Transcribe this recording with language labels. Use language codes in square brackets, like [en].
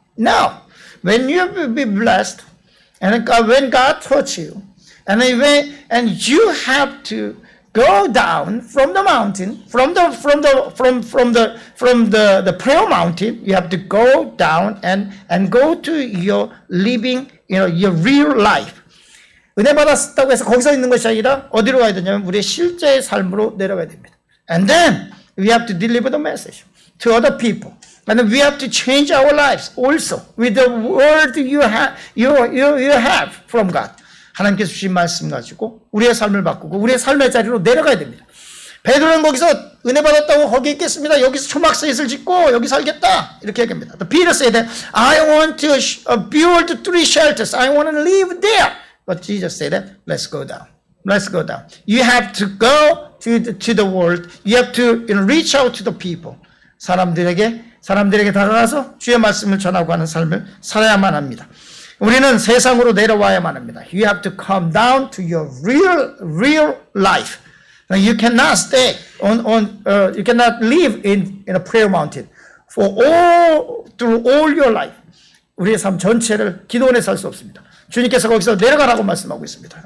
[en] Now, when you be blessed, when God touch you, and you have to go down from the mountain, from the prayer mountain, you have to go down and go to your living, you know, your real life. [ko] 은혜 받았다고 해서 거기서 있는 것이 아니라 어디로 가야 되냐면 우리의 실제의 삶으로 내려가야 됩니다. [en] And then we have to deliver the message. To other people, and we have to change our lives also with the word you have from God. [ko] 하나님께서 주신 말씀 가지고 우리의 삶을 바꾸고 우리의 삶의 자리로 내려가야 됩니다. 베드로는 거기서 은혜 받았다고 거기 있겠습니다. 여기서 초막 셋을 짓고 여기 살겠다 이렇게 얘기합니다. [en] The Peter said that I want to build three shelters. I want to live there. But Jesus said that let's go down. Let's go down. You have to go to the world. You have to reach out to the people. [ko] 사람들에게 다가가서 주의 말씀을 전하고 하는 삶을 살아야만 합니다. 우리는 세상으로 내려와야만 합니다. [en] You have to come down to your real life. You cannot stay you cannot live in a prayer mountain for through all your life. [ko] 우리의 삶 전체를 기도원에 살 수 없습니다. 주님께서 거기서 내려가라고 말씀하고 있습니다.